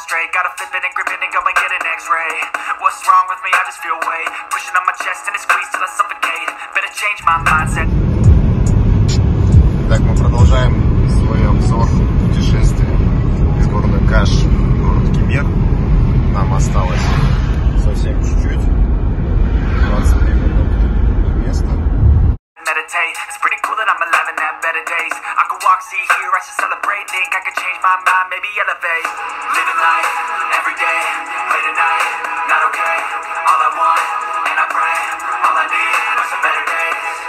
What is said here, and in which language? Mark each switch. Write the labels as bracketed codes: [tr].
[en] Gotta flip it and grip it and go and get an x-ray. What's wrong with me? I just feel weight pushing on my chest and it squeezes till I suffocate. Better change my mindset. [ru] Так, мы продолжаем свой обзор путешествия из города Каш в город Кемер. Нам осталось совсем чуть-чуть. 20 минут до места. Meditate. [en] It's pretty cool that I'm alive and have better days. I could walk, see, hear, I should celebrate. Think I could change my mind, maybe elevate. Living life, every day, late at night, not okay. All I want, and I pray, all I need are some better days.